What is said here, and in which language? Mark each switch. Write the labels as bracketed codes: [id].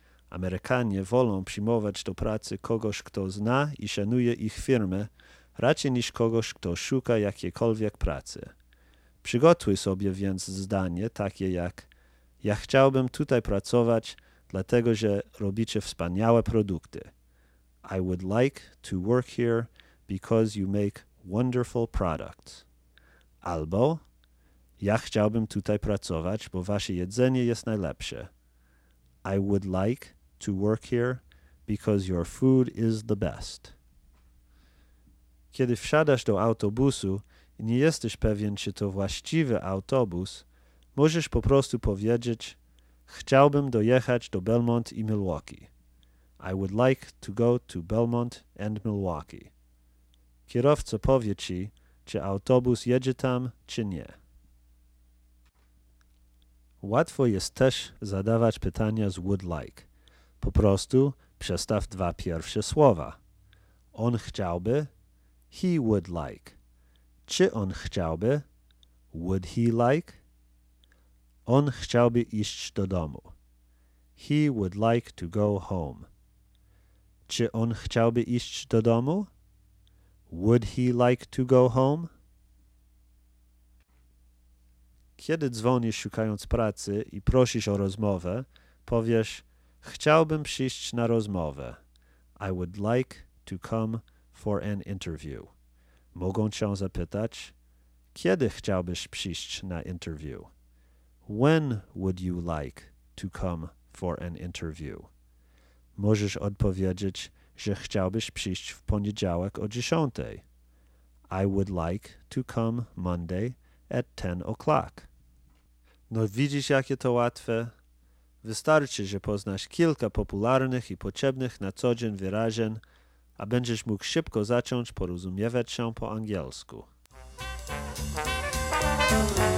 [pl] Amerykanie wolą przyjmować do pracy kogoś, kto zna i szanuje ich firmę, raczej niż kogoś, kto szuka jakiejkolwiek pracy. Przygotuj sobie więc zdanie takie jak ja chciałbym tutaj pracować, dlatego że robicie wspaniałe produkty. [en] I would like to work here because you make wonderful products. [pl] Albo ja chciałbym tutaj pracować, bo wasze jedzenie jest najlepsze. [en] I would like to work here because your food is the best. [pl] Kiedy wsiadasz do autobusu i nie jesteś pewien, czy to właściwy autobus, możesz po prostu powiedzieć chciałbym dojechać do Belmont i Milwaukee. [en] I would like to go to Belmont and Milwaukee. [pl] Kierowca powie ci, czy autobus jedzie tam, czy nie. Łatwo jest też zadawać pytania z would like. Po prostu przestaw dwa pierwsze słowa. On chciałby, [en] he would like. [pl] Czy on chciałby, [en] would he like? [pl] On chciałby iść do domu. [en] He would like to go home. [pl] Czy on chciałby iść do domu? [en] Would he like to go home? [pl] Kiedy dzwonisz szukając pracy i prosisz o rozmowę, powiesz chciałbym przyjść na rozmowę. [en] I would like to come for an interview. [pl] Mogą cię zapytać kiedy chciałbyś przyjść na interview? [en] When would you like to come for an interview. [pl] Możesz odpowiedzieć, że chciałbyś przyjść w poniedziałek o 10. [en] I would like to come Monday at 10 o'clock. [pl] No widzisz, jakie to łatwe? Wystarczy, że poznasz kilka popularnych i potrzebnych na co dzień wyrażeń, a będziesz mógł szybko zacząć porozumiewać się po angielsku.